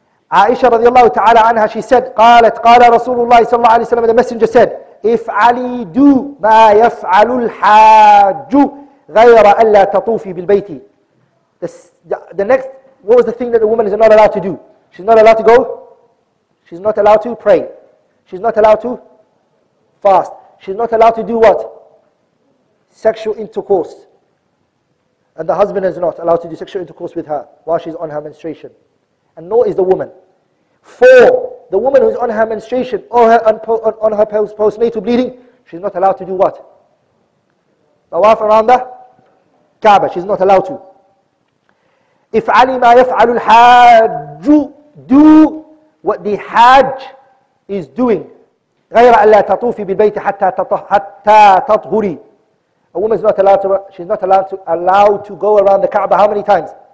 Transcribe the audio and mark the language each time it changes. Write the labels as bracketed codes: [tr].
[ar] عائشة رضي الله تعالى عنها, [en] she said, [ar] قالت قال رسول الله صلى الله عليه وسلم, [en] the messenger said, [ar] افعلي دو ما يفعل الحاج غير ألا تطوفي بالبيت. [en] The next, what was the thing that the woman is not allowed to do? She's not allowed to go. She's not allowed to pray. She's not allowed to fast. She's not allowed to do what? Sexual intercourse. And the husband is not allowed to do sexual intercourse with her while she's on her menstruation. And nor is the woman. Four, the woman who's on her menstruation or her on her postnatal bleeding, she's not allowed to do what? Tawaf around the Kaaba. She's not allowed to. If [ar] علي ما يفعل الحاج, [en] do what the Hajj is doing. [ar] غير ألا تطوفي بالبيت حتى تطهري. [en] A woman is not allowed to, she's not allowed to go around the Kaaba how many times?